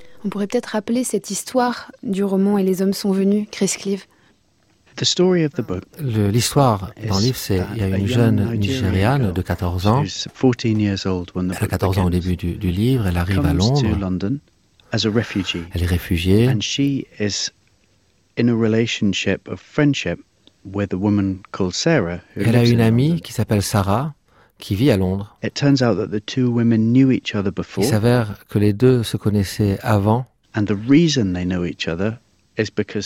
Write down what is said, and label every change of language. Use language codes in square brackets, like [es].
[fr] Peut-être rappeler cette histoire du roman Et les hommes sont venus, Chris Cleave. L'histoire dans le livre, c'est qu'il y a une jeune Nigériane de 14 ans. Elle a 14 ans au début du livre, elle arrive à Londres. Elle est réfugiée. [en] And she is in a relationship of friendship with a woman called Sarah. [fr] Elle a une amie qui s'appelle Sarah, qui vit à Londres. [en] It turns out that the two women knew each other before. [fr] Il s'avère que les deux se connaissaient avant. [en] And the reason they know each other is because